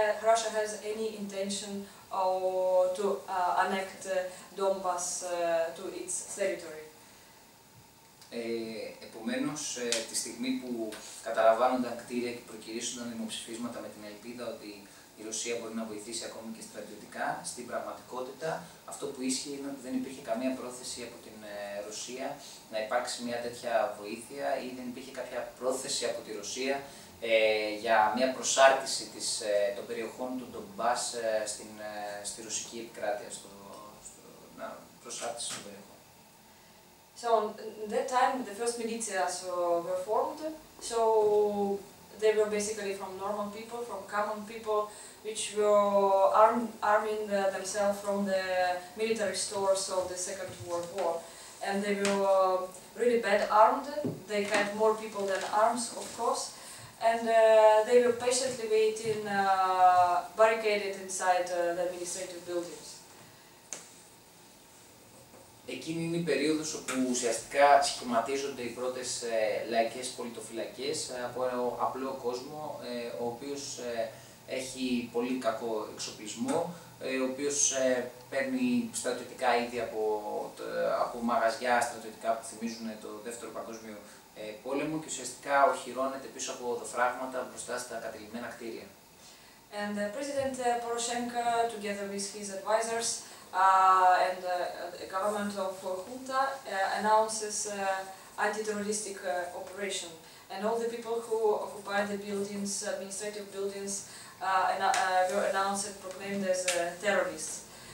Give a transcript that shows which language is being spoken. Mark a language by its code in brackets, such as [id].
[en] Russia has any intention to annex Donbas to its territory. [el] Επομένως, τη στιγμή που καταλαμβάνονταν κτίρια και προκυρήσονταν δημοψηφίσματα με την ελπίδα ότι η Ρωσία μπορεί να βοηθήσει ακόμη και στρατιωτικά, στην πραγματικότητα αυτό που ίσχυε είναι ότι δεν υπήρχε καμία πρόθεση από την Ρωσία να υπάρξει μια τέτοια βοήθεια ή δεν υπήρχε κάποια πρόθεση από τη Ρωσία για μια προσάρτηση των περιοχών του Ντομπάς στη ρωσική επικράτεια, να προσάρτηση των περιοχών. [en] So, in that time, the first militias were formed, so they were basically from normal people, from common people, which were arming themselves from the military stores of the Second World War. And they were really bad armed, they had more people than arms, of course, and they were patiently waiting, barricaded inside the administrative buildings. [el] Εκείνη είναι η περίοδος όπου ουσιαστικά σχηματίζονται οι πρώτες λαϊκές πολιτοφυλακές από ένα απλό κόσμο, ο οποίος έχει πολύ κακό εξοπλισμό, ο οποίος παίρνει στρατιωτικά είδη από μαγαζιά στρατιωτικά που θυμίζουν το Δεύτερο Παγκόσμιο Πόλεμο και ουσιαστικά οχυρώνεται πίσω από δοφράγματα μπροστά στα κατελημμένα κτίρια. [en] And President Poroshenko, together with his advisors and the government of Junta, announces anti-terroristic operation. And all the people who occupied the buildings, administrative buildings, were announced and proclaimed as terrorists.